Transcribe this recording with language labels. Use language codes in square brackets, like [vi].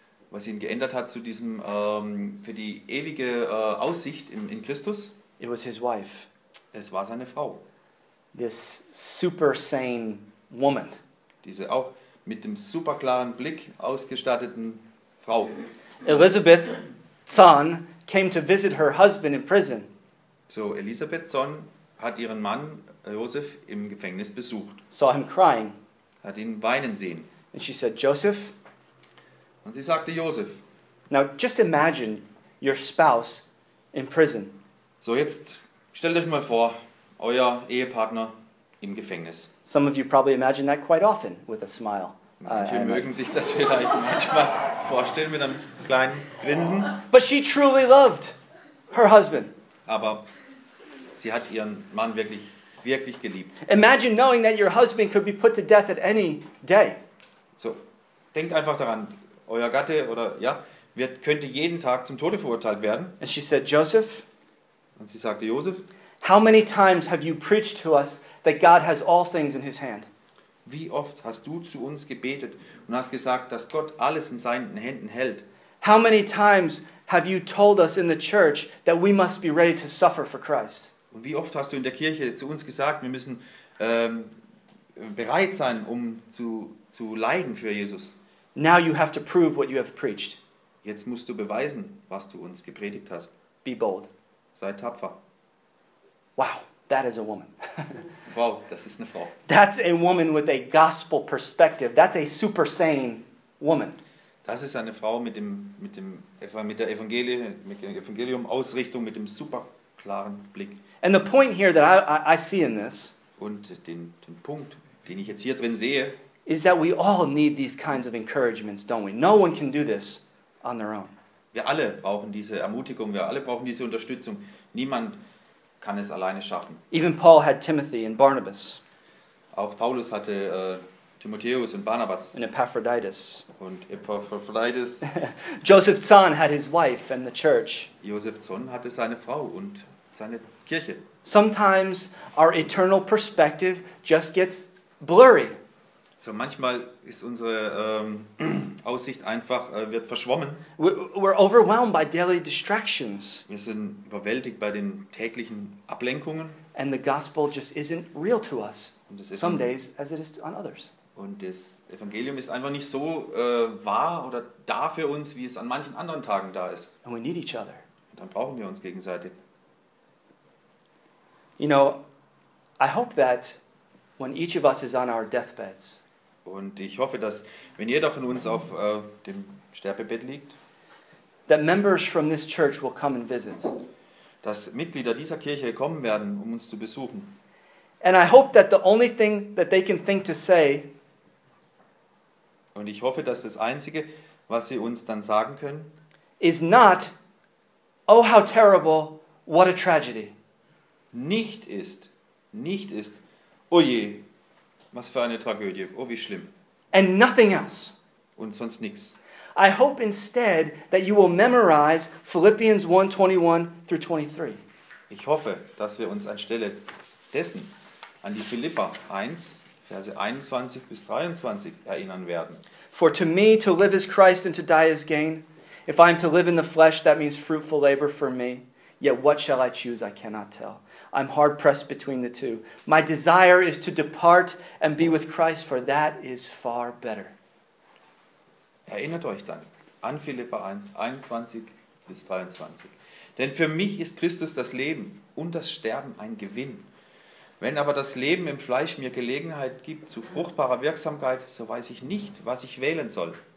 [de] Was ihn geändert hat zu diesem für die ewige Aussicht in Christus? [en] It was his wife. [de] Es war seine Frau. [en] This super sane woman. [de] Diese auch mit dem super klaren Blick ausgestatteten Frau. [en] Elizabeth Zahn came to visit her husband in prison. [de] So Elizabeth Zahn hat ihren Mann Josef im Gefängnis besucht. [en] Saw him crying. [de] Hat ihn weinen sehen. [en] And she said, Joseph. [de] Und sie sagte, Josef. [en] Now just imagine your spouse in prison. [de] So jetzt stellt euch mal vor, euer Ehepartner im Gefängnis. [en] Some of you probably imagine that quite often with a smile. [de] Manche mögen sich das vielleicht manchmal vorstellen mit einem kleinen Grinsen. [en] But she truly loved her husband. [de] Aber sie hat ihren Mann wirklich, wirklich geliebt. [en] Imagine knowing that your husband could be put to death at any day. [de] So, denkt einfach daran, euer Gatte oder ja, könnte jeden Tag zum Tode verurteilt werden. [en] And she said, Joseph. [de] Und sie sagte, Josef. [en] How many times have you preached to us that God has all things in His hand? [de] Wie oft hast du zu uns gebetet und hast gesagt, dass Gott alles in seinen Händen hält? [en] How many times have you told us in the church that we must be ready to suffer for Christ? [de] Und wie oft hast du in der Kirche zu uns gesagt, wir müssen bereit sein, um zu leiden für Jesus? [en] Now you have to prove what you have preached. [de] Jetzt musst du beweisen, was du uns gepredigt hast. [en] Be bold. [de] Sei tapfer. [en] Wow, that is a woman. [de] Wow, das ist eine Frau. [en] That's a woman with a gospel perspective. That's a super sane woman. [de] Das ist eine Frau mit der Evangelium Ausrichtung mit dem super klaren Blick. [en] And the point here that I see in this, [de] und den Punkt, den ich jetzt hier drin sehe, [en] is that we all need these kinds of encouragements, don't we? No one can do this on their own. [de] Wir alle brauchen diese Ermutigung, wir alle brauchen diese Unterstützung. Niemand kann es alleine schaffen. [en] Even Paul had Timothy and Barnabas. [de] Auch Paulus hatte Timotheus und Barnabas. [en] And Epaphroditus. [de] Und Epaphroditus. [en] Joseph Zahn had his wife and the church. [de] Josef Zahn hatte seine Frau und seine Kirche. [en] Sometimes our eternal perspective just gets blurry. [de] So manchmal ist unsere Aussicht einfach wird verschwommen. [en] We're overwhelmed by daily distractions. [de] Wir sind überwältigt bei den täglichen Ablenkungen. [en] And the gospel just isn't real to us. Some days as it is on others. [de] Und das Evangelium ist einfach nicht so wahr oder da für uns, wie es an manchen anderen Tagen da ist. [en] And we need each other. [de] Und dann brauchen wir uns gegenseitig. [en] You know, I hope that when each of us is on our deathbeds. [de] Und ich hoffe, dass wenn jeder von uns auf dem Sterbebett liegt, [en] that members from this church will come and visit. [de] Dass Mitglieder dieser Kirche kommen werden, um uns zu besuchen. [en] And I hope that the only thing that they can think to say. [de] Und ich hoffe, dass das Einzige, was sie uns dann sagen können, [en] is not, oh how terrible, what a tragedy. [de] Nicht ist, oh je, was für eine Tragödie, oh wie schlimm. [en] And nothing else. [de] Und sonst nichts. [en] I hope instead that you will memorize Philippians 1:21 through 23. [de] Ich hoffe, dass wir uns anstelle dessen an die Philipper 1, Verse 21 bis 23 erinnern werden. [en] For to me to live is Christ and to die is gain. If I am to live in the flesh, that means fruitful labor for me. Yet what shall I choose? I cannot tell. I'm hard pressed between the two. My desire is to depart and be with Christ, for that is far better. [de] Erinnert euch dann an Philipper 1, 21 bis 23. Denn für mich ist Christus das Leben und das Sterben ein Gewinn. Wenn aber das Leben im Fleisch mir Gelegenheit gibt zu fruchtbarer Wirksamkeit, so weiß ich nicht, was ich wählen soll.